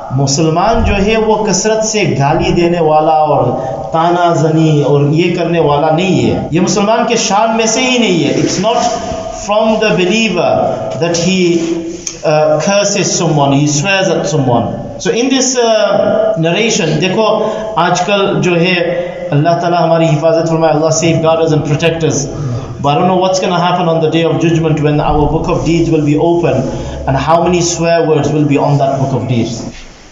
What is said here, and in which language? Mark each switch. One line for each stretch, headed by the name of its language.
Urdu: مسلمان جو ہے وہ کثرت سے گالی دینے والا اور تانا زنی اور یہ کرنے والا نہیں ہے. یہ مسلمان کے شان میں سے ہی نہیں ہے.
English: It's not from the believer that he curses someone, he swears at someone. So in this narration,
Urdu: دیکھو آج کل جو ہے اللہ تعالی ہماری حفاظت فرمائے, اللہ
English: safeguard us and protect us. But I don't know what's going to happen on the day of judgment when our book of deeds will be open and how many swear words will be on that book of deeds.